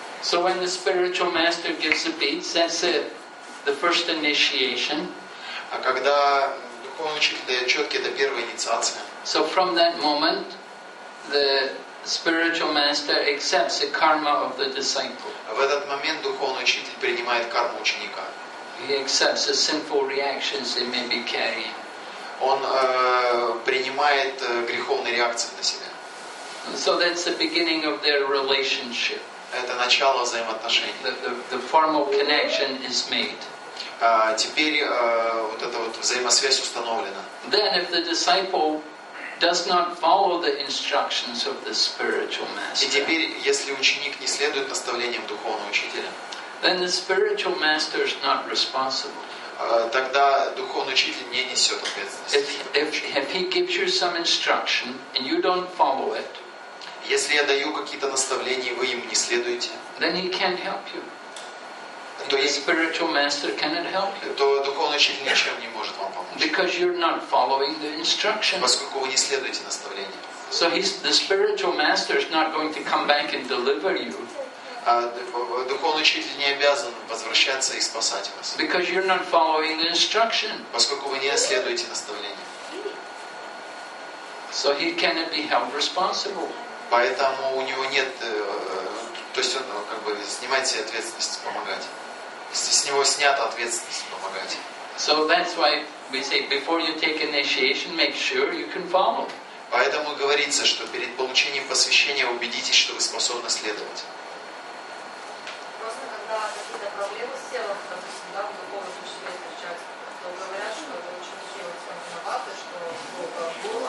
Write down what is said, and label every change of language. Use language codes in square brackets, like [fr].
[en] So when the spiritual master gives a beat, that's it. The first initiation. [ru] А когда духовный учитель дает четкий, это первая инициация. [en] So from that moment, the spiritual master accepts the karma of the disciple. [ru] В этот момент духовный учитель принимает карму ученика. [en] He accepts the sinful reactions he may be carrying. [ru] Он принимает греховные реакции на себя. [en] So that's the beginning of their relationship. [ru] Это начало взаимоотношений. [en] The formal connection is made. [ru] Теперь вот эта вот взаимосвязь установлена. [en] Then if the disciple does not follow the instructions of the spiritual master. [ru] И теперь, если ученик не следует наставлениям духовного учителя, [en] then the spiritual master is not responsible. [ru] Тогда духовный учитель не несет ответственности. [en] If he gives you some instruction and you don't follow it, [ru] если я даю какие-то наставления, и вы им не следуете, [en] then he can't help you. The spiritual master cannot help you. [ru] То духовный учитель ничем не может вам помочь. [en] Because you're not following the instructions. [ru] Поскольку вы не следуете наставлениям. [en] So the spiritual master is not going to come back and deliver you. [ru] Духовный учитель не обязан возвращаться и спасать вас. [en] Because you're not following the instructions. [ru] Поскольку вы не следуете наставлениям. [en] So he cannot be held responsible. [ru] Поэтому у него нет, то есть он как бы снимает себе ответственность помогать. С него снята ответственность помогать. [en] So that's why we say before you take initiation, make sure you can follow. [ru] Поэтому говорится, что перед получением посвящения убедитесь, что вы способны следовать. Просто когда какие-то проблемы с телом, допустим, да, в духовном учителе встречаются, то говорят, что ученики вот с вами виноваты, что Бог